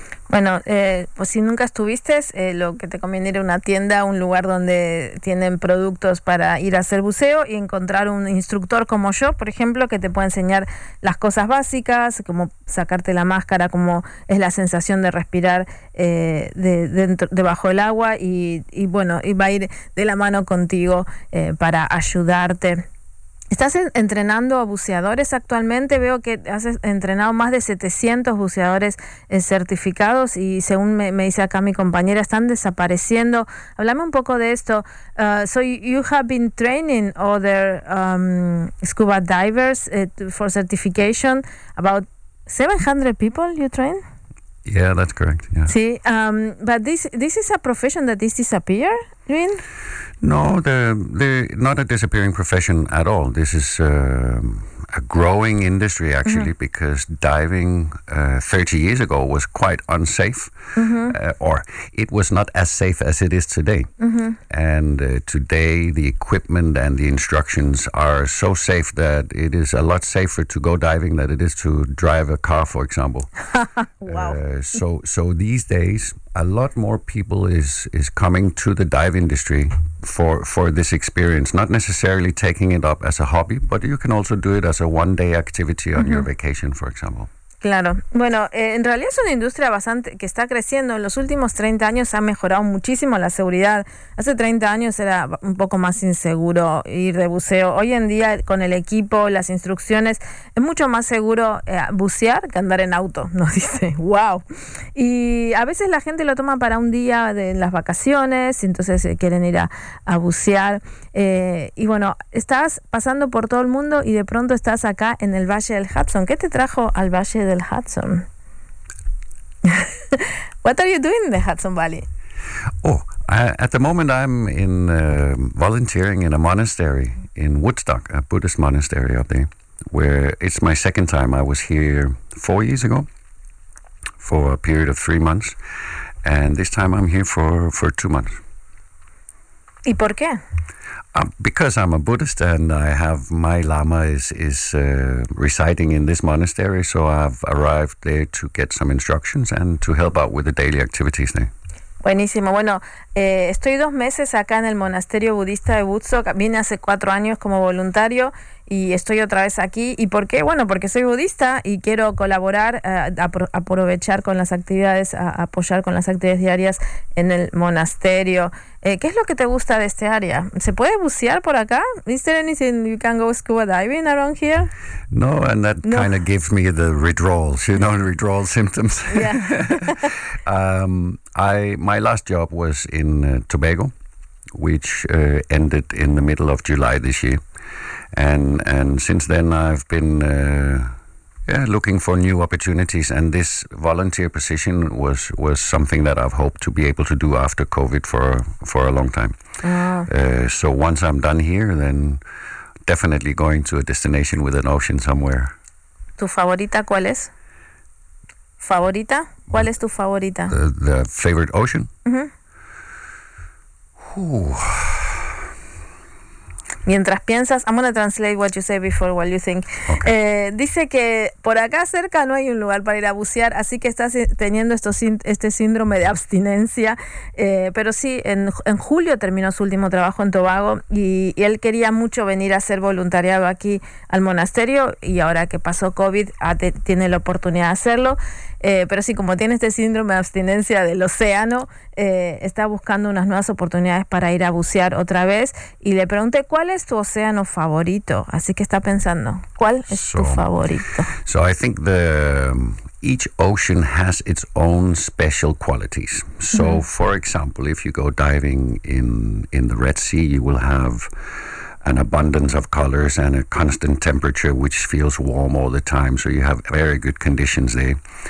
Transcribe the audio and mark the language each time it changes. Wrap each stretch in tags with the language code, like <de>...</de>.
<es>Bueno, pues si nunca estuviste, lo que te conviene ir a una tienda, un lugar donde tienen productos para ir a hacer buceo y encontrar un instructor como yo, por ejemplo, que te pueda enseñar las cosas básicas, como sacarte la máscara, cómo es la sensación de respirar debajo del agua y bueno, y va a ir de la mano contigo para ayudarte. ¿Estás entrenando a buceadores actualmente? Veo que has entrenado más de 700 buceadores certificados y según me dice acá mi compañera, están desapareciendo. Háblame un poco de esto.</es> <en>So you have been training other scuba divers for certification. About 700 people you train? Yeah, that's correct. Yeah. See, but this is a profession that is disappear, you mean? No, they're not a disappearing profession at all. This is a growing industry, actually, mm-hmm. because diving 30 years ago was quite unsafe, mm-hmm. Or it was not as safe as it is today. Mm-hmm. And today, the equipment and the instructions are so safe that it is a lot safer to go diving than it is to drive a car, for example. Wow. So these days, a lot more people is coming to the dive industry for this experience, not necessarily taking it up as a hobby, but you can also do it as a one-day activity on mm-hmm. your vacation, for example.</en> <es>Claro. Bueno, en realidad es una industria bastante que está creciendo. En los últimos 30 años ha mejorado muchísimo la seguridad. Hace 30 años era un poco más inseguro ir de buceo. Hoy en día, con el equipo, las instrucciones, es mucho más seguro bucear que andar en auto, nos dice. ¡Wow! Y a veces la gente lo toma para un día de las vacaciones, entonces quieren ir a bucear. Y bueno, estás pasando por todo el mundo y de pronto estás acá en el Valle del Hudson. ¿Qué te trajo al Valle del Hudson?</es> <en>What are you doing in the Hudson Valley? Oh, at the moment I'm in volunteering in a monastery in Woodstock, a Buddhist monastery up there, where it's my second time. I was here 4 years ago for a period of 3 months, and this time I'm here for 2 months.</en> <es>¿Y por qué?</es> <en>Because I'm a Buddhist and I have my Lama is residing in this monastery, so I've arrived there to get some instructions and to help out with the daily activities there.</en> <es>Buenísimo. Bueno, estoy 2 meses acá en el monasterio budista de Woodstock. Vine hace 4 años como voluntario y estoy otra vez aquí. ¿Y por qué? Bueno, porque soy budista y quiero colaborar, aprovechar con las actividades, apoyar con las actividades diarias en el monasterio. ¿Qué es lo que te gusta de este área? ¿Se puede bucear por acá?</es> <en>¿Is there anything you can go scuba diving around here? No, and that no. Kind of gives me the withdrawals, you know, withdrawal symptoms. Yeah. My last job was in Tobago, which ended in the middle of July this year. And since then, I've been looking for new opportunities. And this volunteer position was something that I've hoped to be able to do after COVID for a long time. So once I'm done here, then definitely going to a destination with an ocean somewhere.</en> <es>¿Tu favorita cuál es? ¿Favorita? ¿Cuál es tu favorita?</es> <en>The favorite ocean?</en> <es>Mientras piensas,</es> <en>I'm going to translate what you say before while you think. Okay.</en> <es>Dice que por acá cerca no hay un lugar para ir a bucear, así que estás teniendo este síndrome de abstinencia. Pero sí, en julio terminó su último trabajo en Tobago y él quería mucho venir a ser voluntariado aquí al monasterio y ahora que pasó COVID tiene la oportunidad de hacerlo. Pero sí, como tiene este síndrome de abstinencia del océano, está buscando unas nuevas oportunidades para ir a bucear otra vez. Y le pregunté, ¿cuál es tu océano favorito? Así que está pensando, ¿cuál es tu favorito?</es> <en>So I think each ocean has its own special qualities. So, mm-hmm. for example, if you go diving in the Red Sea, you will have an abundance of colors and a constant temperature which feels warm all the time, so you have very good conditions there.</en>